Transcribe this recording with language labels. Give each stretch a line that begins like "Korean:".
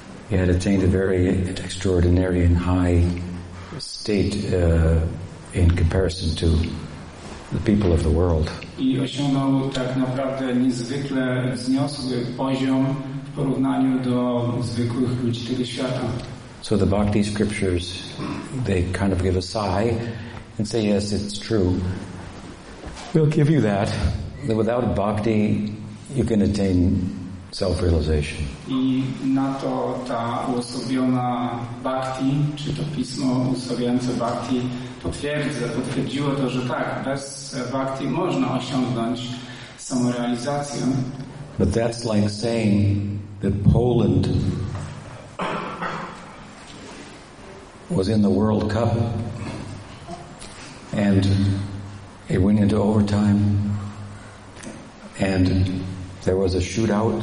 English: He had attained a very extraordinary and high state in comparison to the people of the world.
Polish: I osiągnął tak naprawdę niezwykle wzniosły poziom w porównaniu do zwykłych ludzi tego świata.
English: So the bhakti scriptures, they kind of give a sigh and say, yes, it's true. We'll give you that. That without bhakti, you can attain self-realization.
Polish: I na to ta uosobiona bhakti, czy to pismo uosobiające bhakti, potwierdziło to, że tak, bez bhakti można osiągnąć samorealizację.
English: But that's like saying that Poland was in the World Cup and it went into overtime and there was a shootout.